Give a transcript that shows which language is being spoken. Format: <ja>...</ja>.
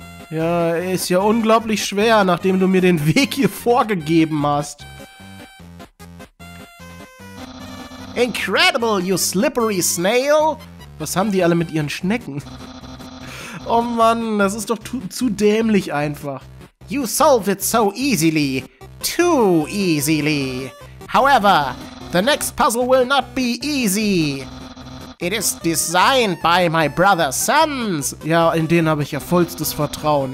<de>Ja, ist ja unglaublich schwer, nachdem du mir den Weg hier vorgegeben hast.</de> <en>Incredible, you slippery snail!</en> <de>Was haben die alle mit ihren Schnecken? Oh Mann, das ist doch zu dämlich einfach.</de> <en>You solve it so easily. Too easily. However, the next puzzle will not be easy. It is designed by my brother Sans.</en> <de>Ja, in den habe ich ja vollstes Vertrauen.</de>